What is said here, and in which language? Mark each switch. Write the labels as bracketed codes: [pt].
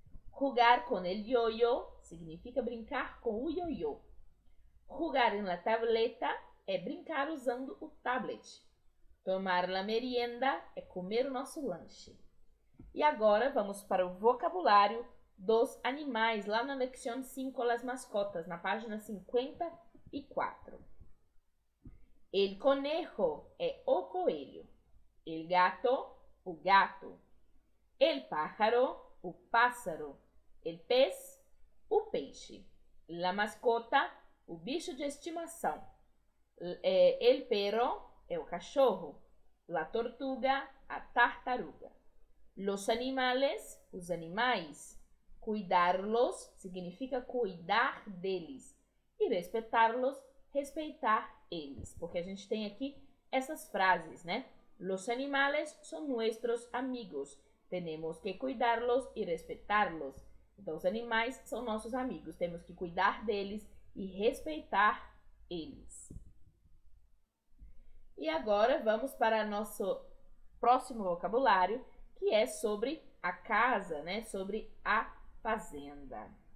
[es] Jugar con el yo-yo significa [pt] brincar com o yo-yo. [es] Jugar en la tableta [pt] é brincar usando o tablet. [es] Tomar la merienda [pt] é comer o nosso lanche. E agora vamos para o vocabulário dos animais, lá na lección 5, las mascotas, na página 54. [es] El conejo [pt] é o coelho. [es] El gato, [pt] o gato. [es] El pájaro, [pt] o pássaro. [es] El pez, [pt] o peixe. [es] La mascota, [pt] o bicho de estimação. [es] El perro [pt] é o cachorro. [es] La tortuga, [pt] a tartaruga. [es] Los animales, [pt] os animais. [es] Cuidarlos [pt] significa cuidar deles. E respetarlos, respeitar eles. Porque a gente tem aqui essas frases, né? [es] Los animales son nuestros amigos. Tenemos que cuidarlos y respetarlos. [pt] Então, os animais são nossos amigos. Temos que cuidar deles e respeitar eles. E agora vamos para nosso próximo vocabulário, que é sobre a casa, né? Sobre a fazenda.